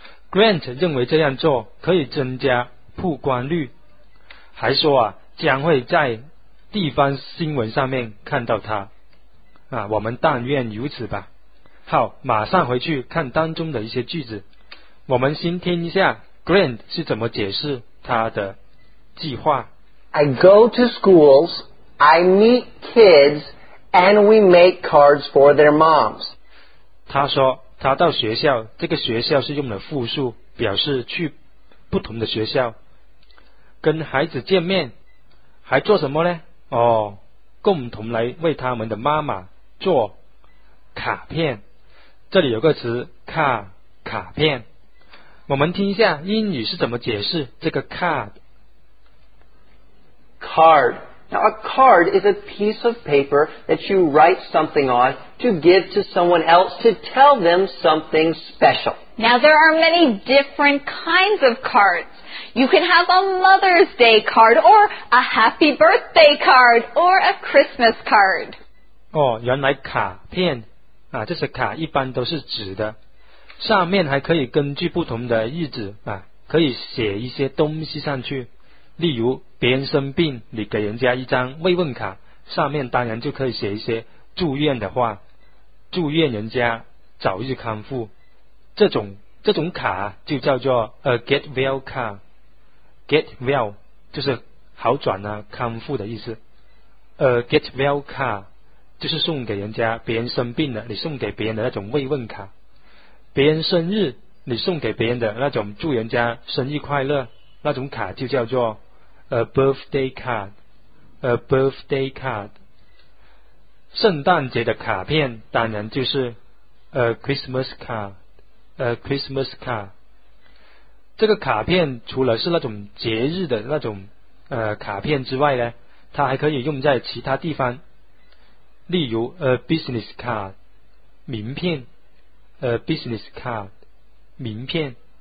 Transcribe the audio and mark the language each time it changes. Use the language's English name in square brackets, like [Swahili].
[Chinese] Grant 认为这样做可以增加曝光率，还说啊，将会在地方新闻上面看到他。啊，我们但愿如此吧。好，马上回去看当中的一些句子。我们先听一下 Grant 是怎么解释他的计划。 [English] I go to schools, I meet kids, and we make cards for their moms. [Chinese] 他说他到学校，这个学校是用了复数，表示去不同的学校，跟孩子见面，还做什么呢？哦，共同来为他们的妈妈做卡片。这里有个词卡片，我们听一下英语是怎么解释这个 card。 [English] Card. Now a card is a piece of paper that you write something on to give to someone else to tell them something special. Now there are many different kinds of cards. You can have a Mother's Day card or a Happy Birthday card or a Christmas card. [Chinese] 哦，原来卡片啊，这些卡一般都是纸的，上面还可以根据不同的日子啊，可以写一些东西上去。例如别人生病，你给人家一张慰问卡，上面当然就可以写一些祝愿的话，祝愿人家早日康复。这种卡就叫做 a get well card。 get well 就是好转啊，康复的意思。 a get well card就是送给人家，别人生病了你送给别人的那种慰问卡，别人生日你送给别人的那种祝人家生日快乐，那种卡就叫做 a birthday card。 a birthday card。 圣诞节的卡片当然就是 a Christmas card。 [English] a Christmas card。 [Chinese] 这个卡片除了是那种节日的那种卡片之外呢，它还可以用在其他地方。例如 a business card 名片， a business card 名片。